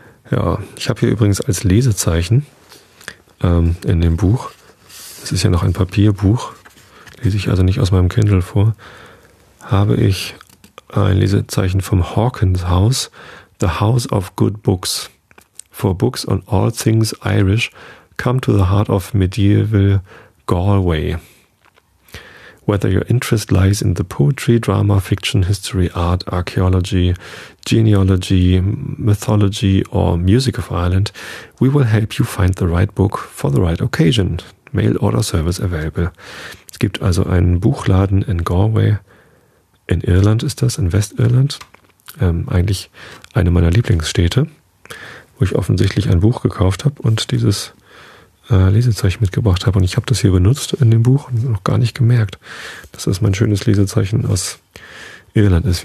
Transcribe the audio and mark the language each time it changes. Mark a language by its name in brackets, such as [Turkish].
[German] Ja, ich habe hier übrigens als Lesezeichen in dem Buch, das ist ja noch ein Papierbuch, lese ich also nicht aus meinem Kindle vor, habe ich ein Lesezeichen vom Hawkins House, [English] The House of Good Books. For books on all things Irish, come to the heart of medieval Galway. Whether your interest lies in the poetry, drama, fiction, history, art, archaeology, genealogy, mythology or music of Ireland, we will help you find the right book for the right occasion. Mail order service available. [German] Es gibt also einen Buchladen in Galway. In Irland ist das, in Westirland. Eigentlich eine meiner Lieblingsstädte, wo ich offensichtlich ein Buch gekauft habe und dieses Lesezeichen mitgebracht habe. Und ich habe das hier benutzt in dem Buch und noch gar nicht gemerkt, dass das mein schönes Lesezeichen aus Irland ist.